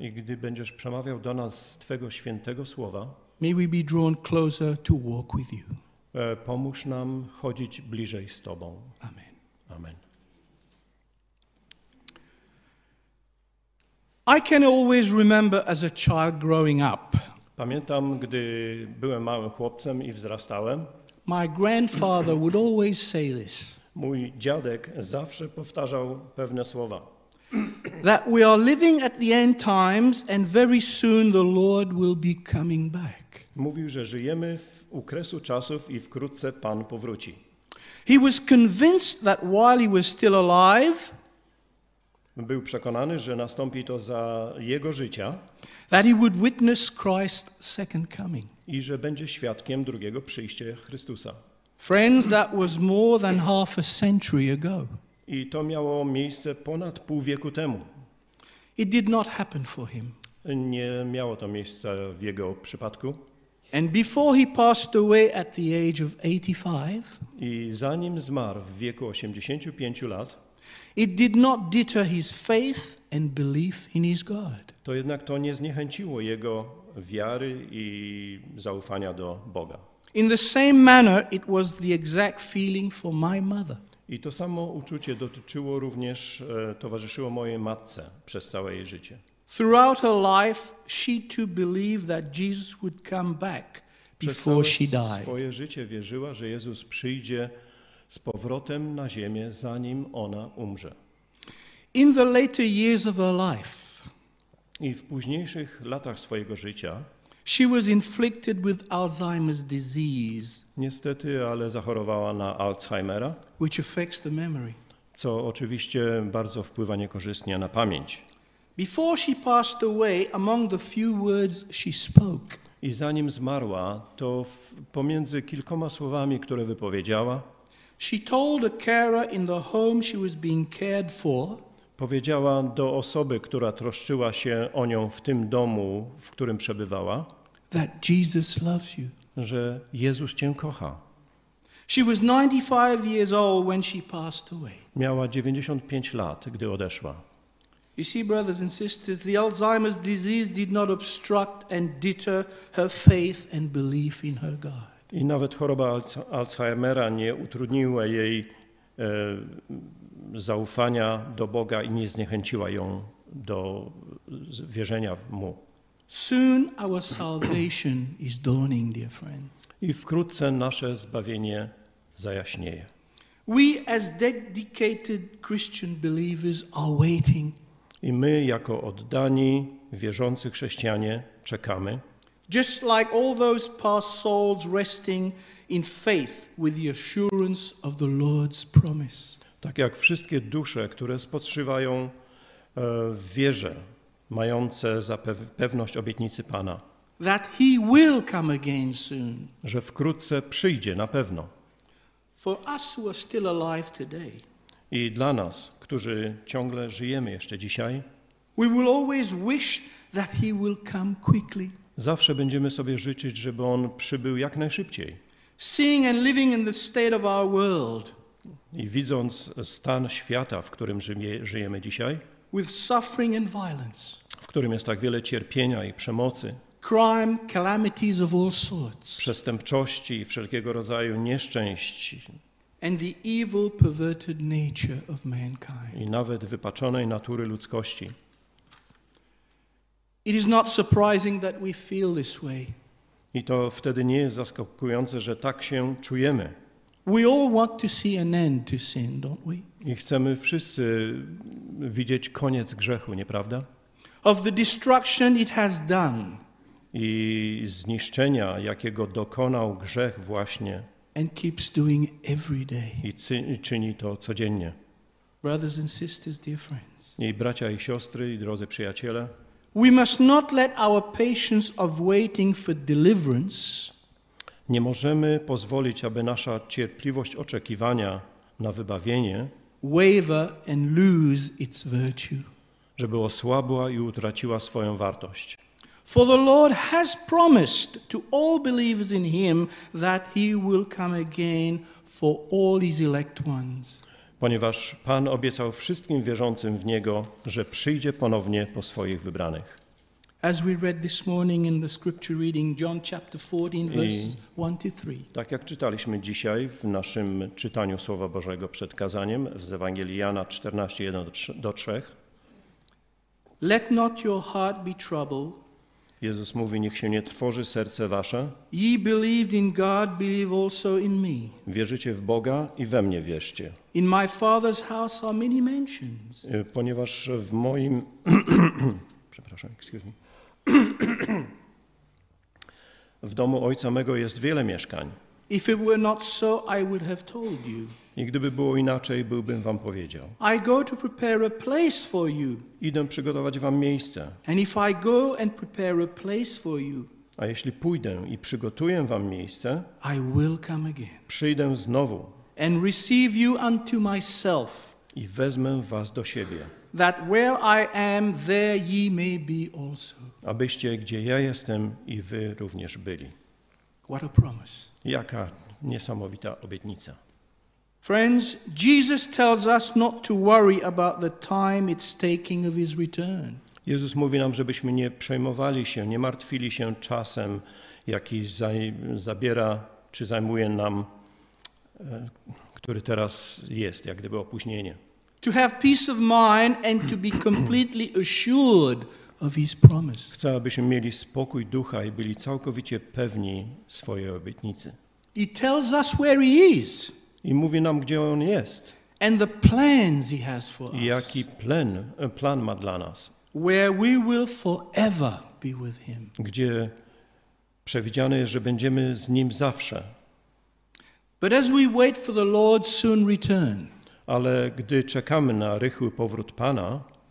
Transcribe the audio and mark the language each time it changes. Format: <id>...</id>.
<pl>I gdy będziesz przemawiał do nas z Twego świętego słowa.</pl> <en>May we be drawn closer to walk with you.</en> <pl>Pomóż nam chodzić bliżej z Tobą.</pl> <en>Amen.</en> <pl>Amen.</pl> <en>I can always remember as a child growing up.</en> <pl>Pamiętam, gdy byłem małym chłopcem i wzrastałem.</pl> <en>My grandfather would always say this.</en> <pl>Mój dziadek zawsze powtarzał pewne słowa.</pl> <en>That we are living at the end times and very soon the Lord will be coming back.</en> <pl>Mówił, że żyjemy w okresu czasów i wkrótce Pan powróci.</pl> <en>He was convinced that while he was still alive.</en> <pl>Był przekonany, że nastąpi to za jego życia.</pl> <en>That he would witness Christ's second coming.</en> <pl>I że będzie świadkiem drugiego przyjścia Chrystusa.</pl> <en>Friends, that was more than half a century ago.</en> <pl>I to miało miejsce ponad pół wieku temu.</pl> <en>It did not happen for him.</en> <pl>Nie miało to miejsca w jego przypadku.</pl> <en>And before he passed away at the age of 85.</en> <pl>I zanim zmarł w wieku 85 lat.</pl> <en>It did not deter his faith and belief in his God.</en> <pl>To jednak to nie zniechęciło jego wiary i zaufania do Boga.</pl> <en>In the same manner, it was the exact feeling for my mother.</en> <pl>I to samo uczucie dotyczyło również, towarzyszyło mojej matce przez całe jej życie.</pl> <en>Throughout her life, she too believed that Jesus would come back before she died.</en> <pl>Przez całe swoje życie wierzyła, że Jezus przyjdzie z powrotem na ziemię, zanim ona umrze.</pl> <en>In the later years of her life,</en> <pl>i w późniejszych latach swojego życia,</pl> <en>she was inflicted with Alzheimer's disease.</en> <pl>Niestety, ale zachorowała na Alzheimera,</pl> <en>which affects the memory.</en> <pl>Co oczywiście bardzo wpływa niekorzystnie na pamięć.</pl> <en>Before she passed away, among the few words she spoke.</en> <pl>I zanim zmarła, to pomiędzy kilkoma słowami, które wypowiedziała,</pl> <en>she told a carer in the home she was being cared for.</en> <pl>Powiedziała do osoby, która troszczyła się o nią w tym domu, w którym przebywała,</pl> <en>that Jesus loves you.</en> <pl>Że Jezus cię kocha.</pl> <en>She was 95 years old when she passed away.</en> <pl>Miała 95 lat, gdy odeszła.</pl> <en>You see, brothers and sisters, the Alzheimer's disease did not obstruct and deter her faith and belief in her God.</en> <pl>I nawet choroba Alzheimera nie utrudniła jej zaufania do Boga i nie zniechęciła ją do wierzenia w Mu.</pl> <en>Soon our salvation is dawning, dear friends.</en> <pl>I wkrótce nasze zbawienie zajaśnieje.</pl> <en>We as dedicated Christian believers are waiting.</en> <pl>I my jako oddani, wierzący chrześcijanie czekamy.</pl> <en>Just like all those past souls resting in faith with the assurance of the Lord's promise.</en> <pl>Tak jak wszystkie dusze, które spoczywają w wierze, mające pewność obietnicy Pana.</pl> <en>That he will come again soon.</en> <pl>Że wkrótce przyjdzie, na pewno.</pl> <en>For us who are still alive today.</en> <pl>I dla nas, którzy ciągle żyjemy jeszcze dzisiaj.</pl> <en>We will always wish that he will come quickly.</en> <pl>Zawsze będziemy sobie życzyć, żeby on przybył jak najszybciej.</pl> <en>Seeing and living in the state of our world.</en> <pl>I widząc stan świata, w którym żyjemy dzisiaj,</pl> <en>with suffering and violence,</en> <pl>w którym jest tak wiele cierpienia i przemocy,</pl> <en>crime, calamities of all sorts,</en> <pl>przestępczości i wszelkiego rodzaju nieszczęść,</pl> <en>and the evil, perverted nature of mankind.</en> <pl>I nawet wypaczonej natury ludzkości.</pl> <en>It is not surprising that we feel this way.</en> <pl>I to wtedy nie jest zaskakujące, że tak się czujemy.</pl> <en>We all want to see an end to sin, don't we?</en> <pl>I chcemy wszyscy widzieć koniec grzechu, nieprawda?</pl> <en>Of the destruction it has done.</en> <pl>I zniszczenia, jakiego dokonał grzech właśnie.</pl> <en>And keeps doing every day.</en> <pl>I czyni to codziennie.</pl> <en>Brothers and sisters, dear friends.</en> <pl>I bracia i siostry, i drodzy przyjaciele.</pl> <en>We must not let our patience of waiting for deliverance.</en> <pl>Nie możemy pozwolić, aby nasza cierpliwość oczekiwania na wybawienie</pl> <en>waver and lose its virtue.</en> <pl>Żeby osłabła i utraciła swoją wartość.</pl> <en>For the Lord has promised to all believers in him that he will come again for all his elect ones.</en> <pl>Ponieważ Pan obiecał wszystkim wierzącym w Niego, że przyjdzie ponownie po swoich wybranych.</pl> <en>As we read this morning in the scripture reading, John chapter 14, verses 1-3.</en> <pl>Tak jak czytaliśmy dzisiaj w naszym czytaniu Słowa Bożego przed kazaniem z Ewangelii Jana 14:1-3.</pl> <en>Let not your heart be troubled.</en> <pl>Jezus mówi, niech się nie trwoży serce wasze.</pl> <en>Ye believed in God, believe also in me.</en> <pl>Wierzycie w Boga i we mnie wierzcie.</pl> <en>In my Father's house are many mansions.</en> <pl>Ponieważ w moim... Przepraszam,</pl> <en>excuse me.</en> <pl>W domu Ojca mego jest wiele mieszkań.</pl> <en>If it were not so, I would have told you.</en> <pl>I gdyby było inaczej, byłbym wam powiedział.</pl> <en>I go to prepare a place for you.</en> <pl>Idę przygotować wam miejsce.</pl> <en>And if I go and prepare a place for you.</en> <pl>A jeśli pójdę i przygotuję wam miejsce,</pl> <en>I will come again.</en> <pl>Przyjdę znowu.</pl> <en>And receive you unto myself.</en> <pl>I wezmę was do siebie.</pl> <en>That where I am, there ye may be also.</en> <pl>Abyście gdzie ja jestem i wy również byli.</pl> <en>What a promise.</en> <pl>Jaka niesamowita obietnica.</pl> <en>Friends, Jesus tells us not to worry about the time it's taking of his return.</en> <pl>Jezus mówi nam, żebyśmy nie przejmowali się, nie martwili się czasem, jaki zabiera czy zajmuje nam, który teraz jest, jak gdyby opóźnienie.</pl> <en>To have peace of mind and to be completely assured of his promise.</en> <pl>Chcę, abyśmy mieli spokój ducha i byli całkowicie pewni swojej obietnicy.</pl> <en>He tells us where he is.</en> <pl>I mówi nam, gdzie on jest.</pl> <en>And the plans he has for us.</en> <pl>I jaki plan ma dla nas.</pl> <en>Where we will forever be with him.</en> <pl>Gdzie przewidziane jest, że będziemy z nim zawsze.</pl> <en>But as we wait for the Lord's soon return.</en> <pl>Ale gdy czekamy na rychły powrót Pana.</pl>